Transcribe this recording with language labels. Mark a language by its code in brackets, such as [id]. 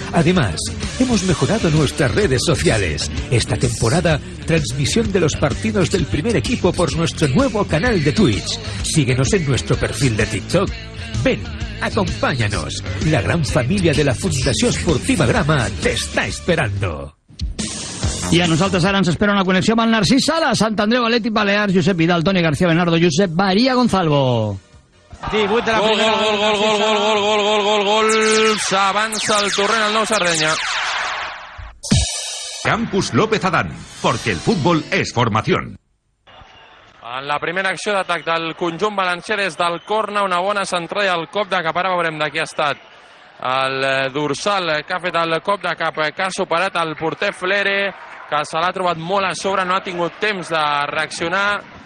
[es] Además, hemos mejorado nuestras redes sociales. Esta temporada, transmisión de los partidos del primer equipo por nuestro nuevo canal de Twitch. Síguenos en nuestro perfil de TikTok. Ven, acompáñanos. La gran familia de la Fundación Esportiva Grama te está esperando. [ca] I a nosaltres ara ens espera una connexió amb el Narcís Sala, Sant Andreu, Atlètic Balears, Josep Vidal, Toni García, Bernardo, Josep Maria Gonzalvo. Gol. S'avança el Torrent al Nou Sardenya. [es] Campus López Adán, porque el fútbol es formación. [ca] En la primera acció d'atac del conjunt valencià des del corna, una bona centrada i el cop de cap. Ara veurem de qui ha estat el dorsal que ha fet el cop de cap, que ha superat el porter Flere, que se l'ha trobat molt a sobre, no ha tingut temps de reaccionar.